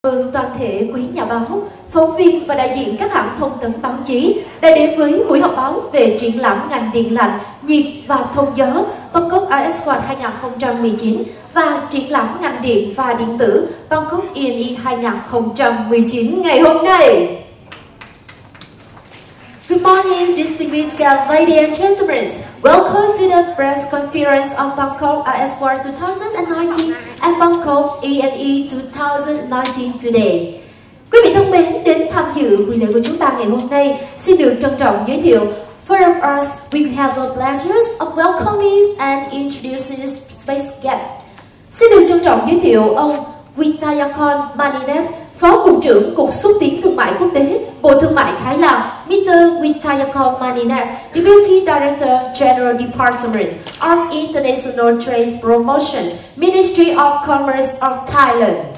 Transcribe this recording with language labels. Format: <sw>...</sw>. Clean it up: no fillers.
<vi>Vâng, toàn thể quý nhà báo, phóng viên và đại diện các hãng thông tấn báo chí đã đến với buổi họp báo về triển lãm ngành điện lạnh, nhiệt và thông gió Bangkok ISW 2019 và triển lãm ngành điện và điện tử Bangkok E&E 2019 ngày hôm nay.</vi> <en>Good morning, distinguished ladies and gentlemen. Welcome to the press conference of Bangkok ISW 2019 and Bangkok E&E 2019 today.</en> <vi>Quý vị thân mến, đến tham dự buổi lễ của chúng ta ngày hôm nay, xin được trân trọng giới thiệu.</vi> <en>For us, we have the pleasure of welcoming and introducing this space guest.</en> <vi>Xin được trân trọng giới thiệu ông Vittayakorn Maninath, Phó Cục trưởng Cục Xúc tiến Thương mại Quốc tế, Bộ Thương mại Thái Lan, Mr.</vi> <en>Vittayakorn Maninath, Deputy Director General Department of International Trade Promotion, Ministry of Commerce of Thailand.</en>